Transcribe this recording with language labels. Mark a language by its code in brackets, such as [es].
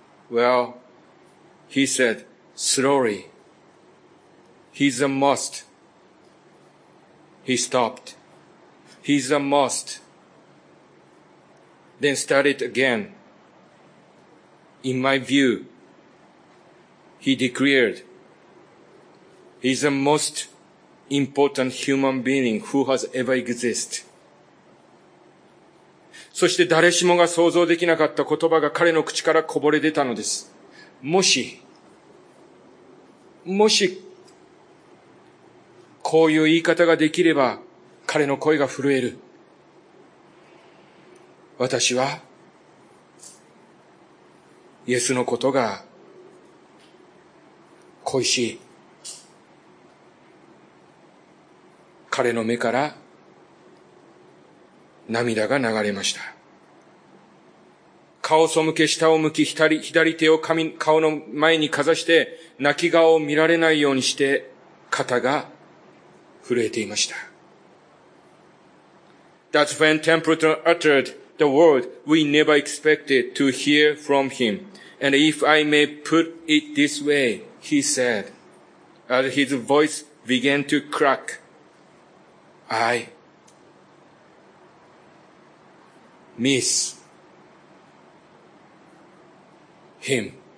[en] Well, he said, slowly. He's a must. He stopped. He's a must. Then started again. In my view, he declared, he's the most important human being who has ever existed. [ja] そして誰しもが想像できなかった言葉が彼の口からこぼれ出たのです。もし、もし、こういう言い方ができれば彼の声が震える。私は、イエスのことが恋しい。彼の目から涙が流れました。顔を背け下を向き左手を顔の前にかざして泣き顔を見られないようにして肩が震えていました。 [en] That's when Templeton uttered the word we never expected to hear from him. And if I may put it this way, he said, as his voice began to crack, I miss him.